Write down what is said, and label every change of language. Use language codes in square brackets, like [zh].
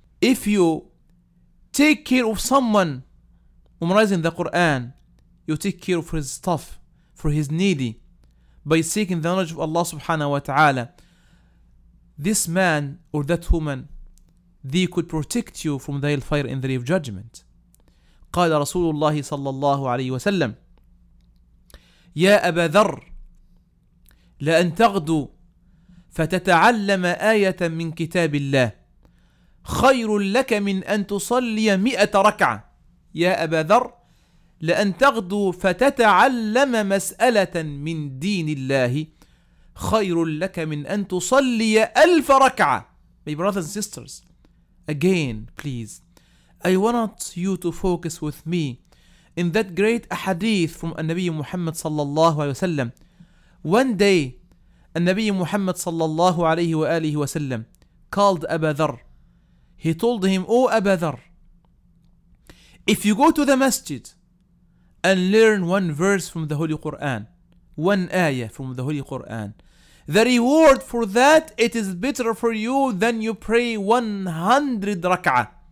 [en] If you take care of someone memorizing the Quran, you take care of his stuff, for his needy, by seeking the knowledge of Allah subhanahu wa ta'ala, this man or that woman, they could protect you from the hellfire in the day of judgment. [ar] قال رسول الله صلى الله عليه وسلم يا أبا ذر لأن تغدو فتتعلم آية من كتاب الله خير لك من أن تصلي 100 ركعة. يا أبا ذر لأن تغدو فتتعلم مسألة من دين الله خير لك من أن تصلي 1000 ركعة. [en] My brothers and sisters, again, please. I want you to focus with me in that great hadith from Nabi Muhammad sallallahu alayhi wa sallam. One day, Nabi Muhammad sallallahu alayhi wa alihi wa sallam called Aba Dhar. He told him, "Oh Aba Dhar, if you go to the masjid and learn one verse from the Holy Quran, one ayah from the Holy Quran, the reward for that, it is better for you than you pray 100 rak'ah.